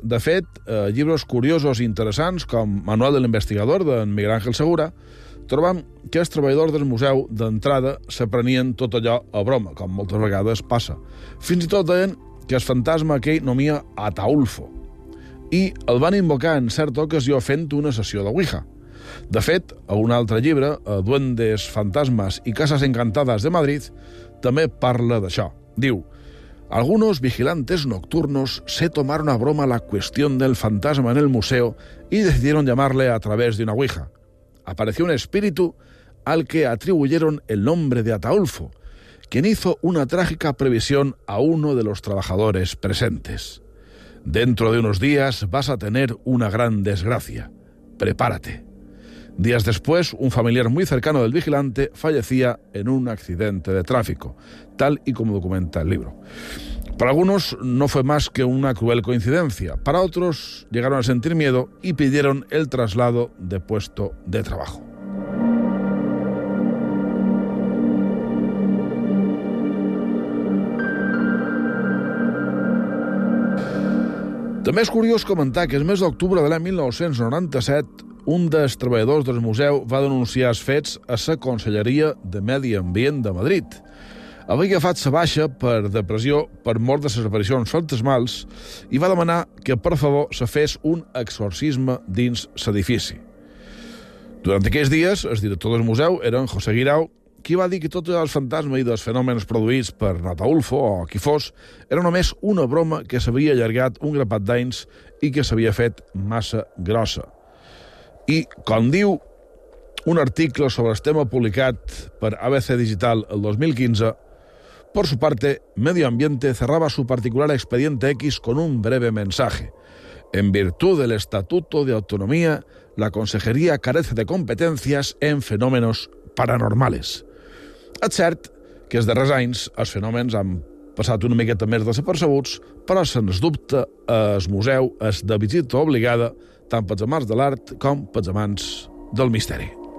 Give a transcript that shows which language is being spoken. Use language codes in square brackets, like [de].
[ca] De fet, llibres curiosos i interessants, com Manual de l'Investigador, d'en Miguel Ángel Segura, trobam que els treballadors del museu d'entrada s'aprenien tot allò a broma, com moltes vegades passa. Fins i tot deien que el fantasma aquell nomia Ataulfo i el van invocar en certa ocasió fent una sessió de Ouija. De fet, a un altre llibre, Duendes, Fantasmas y Casas Encantadas de Madrid, també parla d'això. Diu, [es] algunos vigilantes nocturnos se tomaron a broma la cuestión del fantasma en el museo y decidieron llamarle a través de una ouija. Apareció un espíritu al que atribuyeron el nombre de Ataulfo, quien hizo una trágica previsión a uno de los trabajadores presentes. Dentro de unos días vas a tener una gran desgracia. Prepárate. Días después, un familiar muy cercano del vigilante fallecía en un accidente de tráfico, tal y como documenta el libro. Para algunos no fue más que una cruel coincidencia. Para otros llegaron a sentir miedo y pidieron el traslado de puesto de trabajo. También es curioso comentar que el mes de octubre de 1997... [ca] un dels treballadors del museu va denunciar els fets a la Conselleria de Medi Ambient de Madrid. Havia agafat la baixa per depressió per mort de les aparicions fantasmals i va demanar que, per favor, se fes un exorcisme dins l'edifici. Durant aquells dies, el director del museu era en José Guirao, qui va dir que tots els fantasmes i dels fenòmens produïts per Ataulfo o qui fos era només una broma que s'havia allargat un grapat d'anys i que s'havia fet massa grossa. I, com diu un article sobre el tema publicat per ABC Digital el 2015, [es] por su parte, Medio Ambiente cerraba su particular expediente X con un breve mensaje. En virtud del Estatuto de Autonomía, la Consejería carece de competencias en fenómenos paranormales. [ca] És cert que els darrers anys els fenòmens han passat una miqueta més desapercebuts, però, sens dubte, el museu és de visita obligada tant pels amants de l'art com pels amants del misteri.